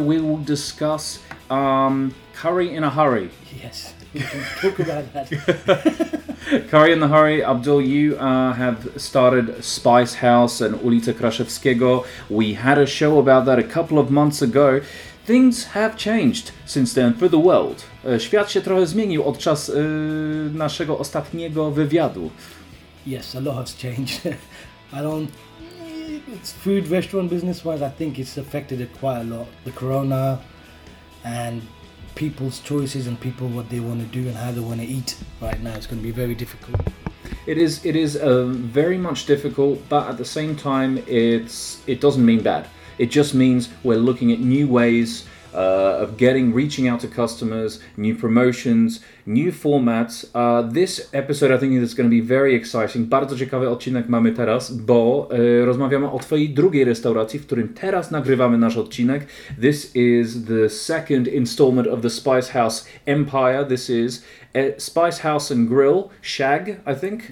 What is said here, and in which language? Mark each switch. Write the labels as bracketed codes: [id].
[en] We will discuss curry in a hurry. Yes. Talk about that. Curry in the Hurry, Abdul, you have started Spice House and Ulica Kraszewskiego. We had a show about that a couple of months ago. Things have changed since then for the world. [pl] Świat się trochę zmienił od czas naszego ostatniego wywiadu. [en] Yes, a lot has changed. It's food, restaurant business wise, I think it's affected it quite a lot. The corona and people's choices and people what they want to do and how they want to eat right now. It's going to be very difficult. It is very much difficult, but at the same time, it doesn't mean bad. It just means we're looking at new ways of getting, reaching out to customers, new promotions, new formats. This episode, I think, is going to be very exciting. [pl] Bardzo ciekawy odcinek mamy teraz, bo rozmawiamy o twojej drugiej restauracji, w którym teraz nagrywamy nasz odcinek. [en] This is the second installment of the Spice House Empire. This is Spice House and Grill, Shag, I think.